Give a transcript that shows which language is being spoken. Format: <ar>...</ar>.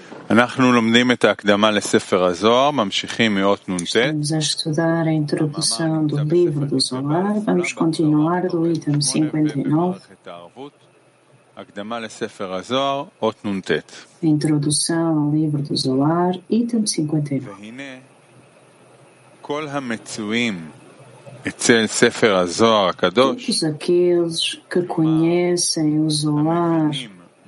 <he>אנחנו לומדים את ההקדמה לספר הזוהר, ממשיכים מאות נ"ט.</he> <pt>Vamos a estudar a introdução do livro do Zohar. Vamos continuar do item 59.</pt> <he>הקדמה לספר הזוהר, אות נ"ט.</he> <pt>Introdução ao livro do Zohar, item 59.</pt> <he>כל המצויים אצל ספר הזוהר הקדוש.</he> <pt>Todos aqueles que conhecem o Zohar.</pt>